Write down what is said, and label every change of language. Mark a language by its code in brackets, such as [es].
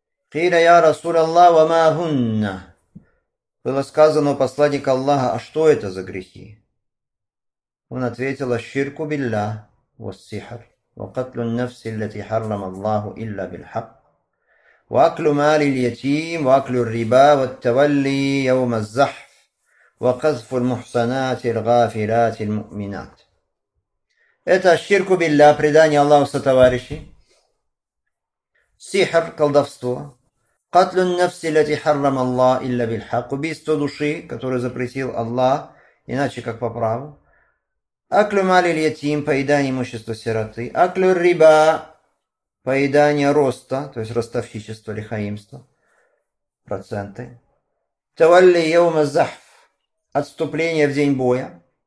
[ar] «Киля я Расул Аллах, ва ма гунна». [ru] Было сказано у посланника Аллаха, а что это за грехи? Он ответил, [ar] «Аш-ширку биллах, вас-сихр, ва катлю нафси, лати харрам Аллаху, илля биль-хак». وأكل مال اليتيم وأكل الربا والتولي يوم الزحف وقذف المحصنات الغافلات المؤمنات. [ru] Это ширк билля, предание Аллаху сотоварищи. Сихр, колдовство. [ar] قتل النفس التي حرم الله إلا بالحق. [ru] Убийство души, которое запретил Аллах, иначе как по праву. [ar] أكل مال اليتيم, [ru] поедание имущества сироты. [ar] أكل الربا, [ru] поедание роста, то есть ростовщичество, лихаимство, проценты. [ar] Тавалли яума захф, [ru] отступление в день боя.